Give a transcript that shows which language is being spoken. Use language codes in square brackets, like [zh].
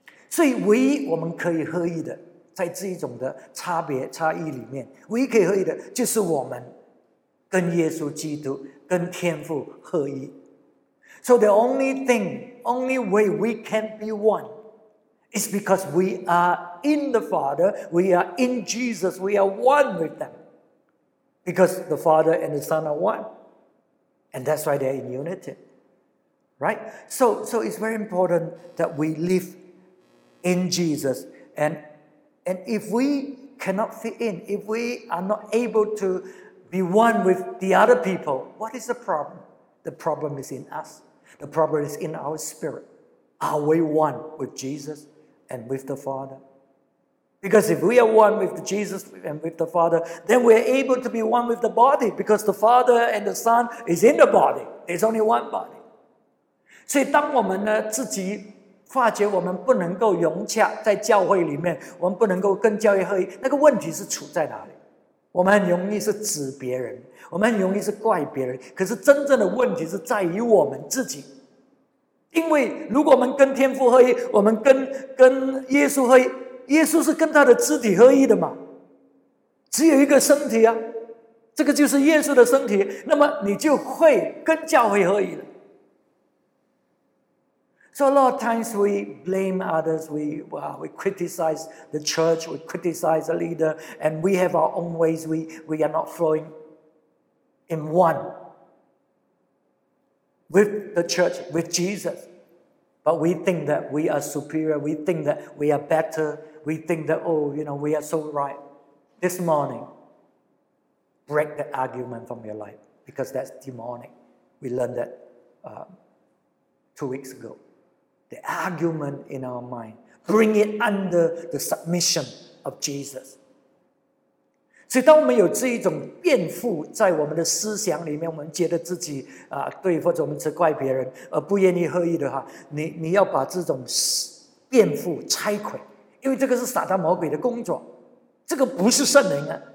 [zh] 所以唯一我们可以合一的，在这一种的差别差异里面，唯一可以合一的就是我们跟耶稣基督跟天父合一。 [en] So the only thing, only way we can be one is because we are in the Father, we are in Jesus, we are one with them, because the Father and the Son are one, and that's why they're in unity, right? So it's very important that we live in Jesus. And if we cannot fit in, if we are not able to be one with the other people, what is the problem? The problem is in us. The problem is in our spirit. Are we one with Jesus and with the Father? Because if we are one with Jesus and with the Father, then we are able to be one with the body, because the Father and the Son is in the body. There's only one body. [zh] 所以当我们呢自己 发觉我们不能够融洽在教会里面，我们不能够跟教会合一，那个问题是处在哪里？我们很容易是指别人，我们很容易是怪别人，可是真正的问题是在于我们自己。因为如果我们跟天父合一，我们跟耶稣合一，耶稣是跟他的肢体合一的嘛，只有一个身体啊，这个就是耶稣的身体，那么你就会跟教会合一了。 [en] So a lot of times we blame others, we criticize the church, we criticize the leader, and we have our own ways, we are not flowing in one with the church, with Jesus. But we think that we are superior, we think that we are better, we think that, oh, you know, we are so right. This morning, break that argument from your life, because that's demonic. We learned that 2 weeks ago, the argument in our mind, bring it under the submission of Jesus. [zh] 所以当我们有这一种辩护在我们的思想里面，我们觉得自己对，或者我们责怪别人，而不愿意合一的话，你要把这种辩护拆毁，因为这个是撒旦魔鬼的工作，这个不是圣灵啊。